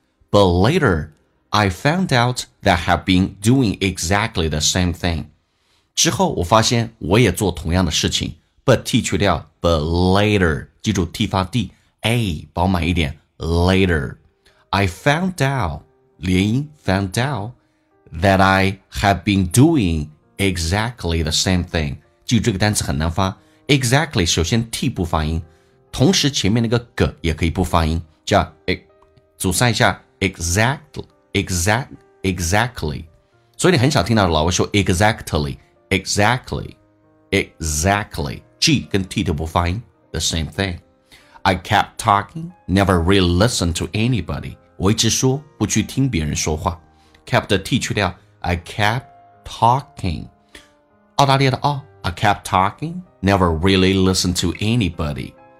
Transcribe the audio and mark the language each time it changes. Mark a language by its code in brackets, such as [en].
[en] But laterI found out that I have been doing exactly the same thing. [zh] 之后我发现我也做同样的事情。 But T 去掉 [en] But later. [zh] 记住 T 发 D. A 饱满一点 Later. [en] I found out, [zh] 连音 [en] found out, that I have been doing exactly the same thing. [zh] 记住这个单词很难发。Exactly 首先 T 不发音，同时前面那个 G 也可以不发音，叫 阻塞一下 [en] exactly. Exactly. [zh] 所以你很少听到老外说 [en] exactly, exactly, exactly, [zh] G 跟 T 都不发音 [en] the same thing. I kept talking, never really listened to anybody. [zh] 我一直说不去听别人说话。 [en] Kept [zh] 剔去掉 [en] I kept talking. [zh] 澳大利亚的澳 [en] I kept talking, never really listened to anybody.